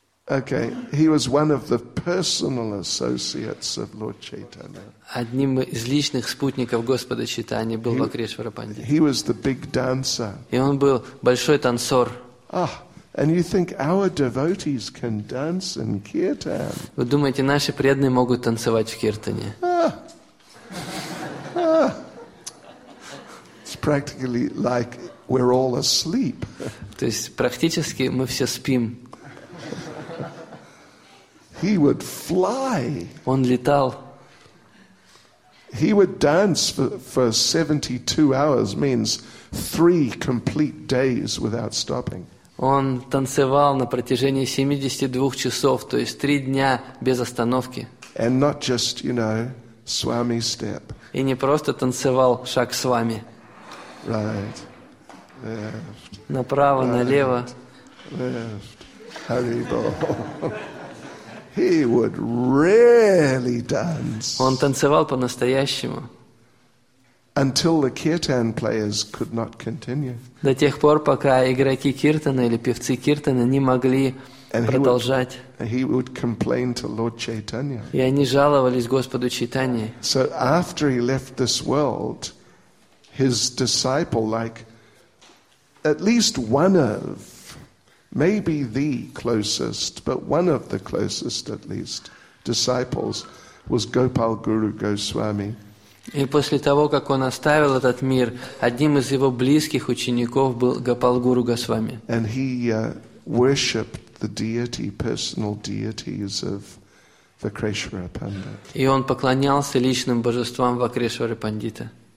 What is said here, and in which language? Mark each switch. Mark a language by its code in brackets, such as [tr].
[en] Okay, he was one of the personal associates of Lord Chaitanya. [ru] Одним из личных спутников Господа Чайтаньи был Вакрешвара Пандит. [en] He was the big dancer. [ru] И он был большой танцор. [en] Ah, and you think our devotees can dance in kirtan? [ru] Вы думаете, наши преданные могут танцевать в киртане? [en] It's practically like we're all asleep. [ru] То есть практически мы все спим. [en] He would fly. [ru] Он летал. [en] He would dance for 72 hours, means 3 complete days without stopping. [ru] Он танцевал на протяжении 72 часов, то есть 3 дня без остановки. [en] And not just, you know, swami step. [ru] И не просто танцевал шаг с вами. [en] Right. Left. [ru] Направо, [en] right. [ru] Налево. [en] Left. Haribo. He would really dance. [ru] Он танцевал по-настоящему. [en] Until the kirtan players could not continue. [ru] До тех пор, пока игроки киртана или певцы киртана не могли продолжать. [en] He would complain to Lord Chaitanya. [ru] И они жаловались Господу Чайтанье. [en] So after he left this world, his disciple, like at least one of maybe the closest, but one of the closest, at least, disciples was Gopal Guru Goswami. [ru] И после того, как он оставил этот мир, одним из его близких учеников был Гопал Гуру Госвами. [en] And he worshipped the deity, personal deities of Vakreshvara Pandit. [ru] И он поклонялся личным божествам Вакрешвары Пандита.